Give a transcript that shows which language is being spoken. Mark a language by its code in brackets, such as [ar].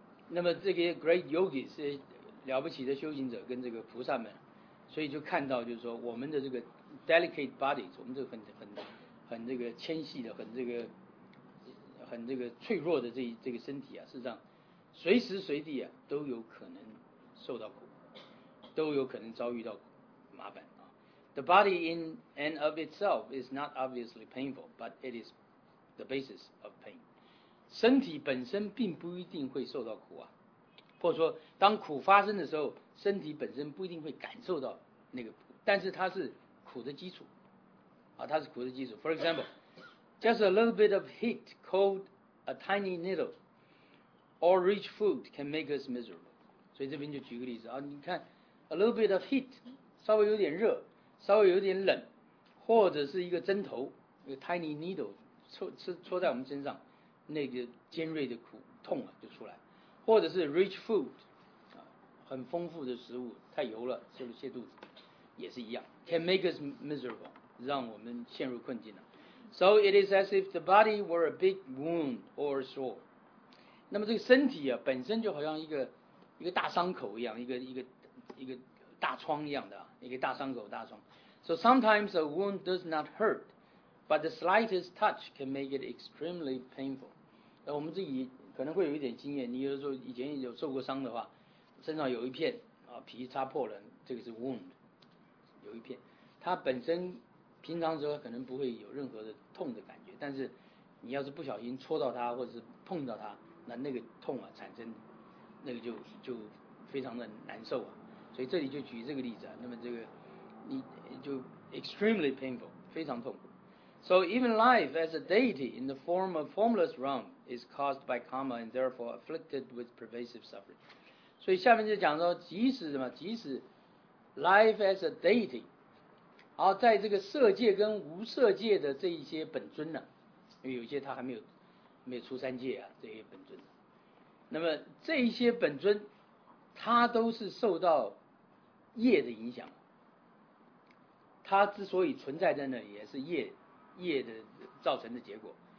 [zh] 那么这个 [en] great yogis [zh] 是了不起的修行者跟这个菩萨们，所以就看到就是说我们的这个 [en] delicate bodies， [zh] 我们这个很这个纤细的，很这个脆弱的这个身体啊，事实上随时随地啊都有可能受到苦，都有可能遭遇到麻烦啊。 [en] The body in and of itself is not obviously painful, but it is the basis of pain. [zh] 身体本身并不一定会受到苦啊，或者说当苦发生的时候，身体本身不一定会感受到那个苦，但是它是苦的基础啊，它是苦的基础。 [en] For example, just a little bit of heat, cold, a tiny needle, or rich food can make us miserable. [zh] 所以这边就举个例子啊，你看 [en] a little bit of heat, [zh] 稍微有点热，稍微有点冷，或者是一个针头，一个 [en] tiny needle [zh] 戳在我们身上，那个尖锐的苦痛啊就出来，或者是 [en] rich food， [zh] 很丰富的食物，太油了，吃了泻肚子，也是一样， [en] can make us miserable， [zh] 让我们陷入困境了。 [en] So it is as if the body were a big wound or sore。 [zh] 那么这个身体啊，本身就好像一个大伤口一样，一个大疮一样的，一个大伤口大疮。 [en] So sometimes a wound does not hurt, but the slightest touch can make it extremely painful。 [zh] 那我们自己可能会有一点经验，你有时候以前有受过伤的话，身上有一片啊皮擦破了，这个是 wound， 有一片，它本身平常时候可能不会有任何的痛的感觉，但是你要是不小心戳到它或者是碰到它，那个痛啊产生，那个就非常的难受啊。所以这里就举这个例子啊，那么这个你就 [en] extremely painful， [zh] 非常痛苦。 [en] So even life as a deity in the form of formless realm is caused by karma and therefore afflicted with pervasive suffering. [zh] 所以下面就讲说，即使 [en] life as a deity， [zh] 然后在这个色界跟无色界的这一些本尊呢，因为有些他还没有出三界啊，这些本尊，那么这一些本尊他都是受到业的影响，他之所以存在在那里也是业的造成的结果。